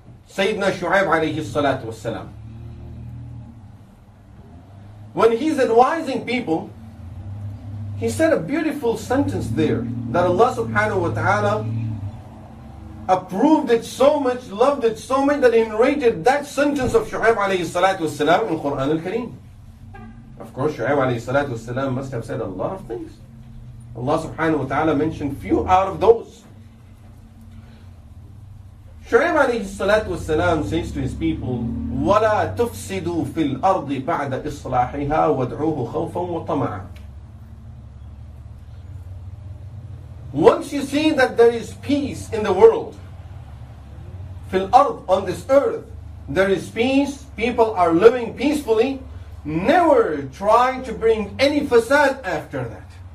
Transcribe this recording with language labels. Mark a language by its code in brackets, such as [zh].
[en] Sayyidina Shu'ayb alayhi salatu wassalam, when he's advising people, he said a beautiful sentence there that Allah subhanahu wa ta'ala approved it so much, loved it so much, that he narrated that sentence of Shu'ayb alayhi salatu wassalam in Quran al-Kareem. Of course, Shu'ayb alayhi salatu wassalam must have said a lot of things. Allah subhanahu wa ta'ala mentioned few out of those. Shu'ayb alayhi salatu wassalam says to his people, [ar] وَلَا تُفْسِدُوا فِي الْأَرْضِ بَعْدَ إِصْلَاحِهَا وَادْعُوهُ خَوْفًا وَطَمَعًا. [en] Once you see that there is peace in the world, fil ard, on this earth, there is peace, people are living peacefully, never try to bring any facade after that.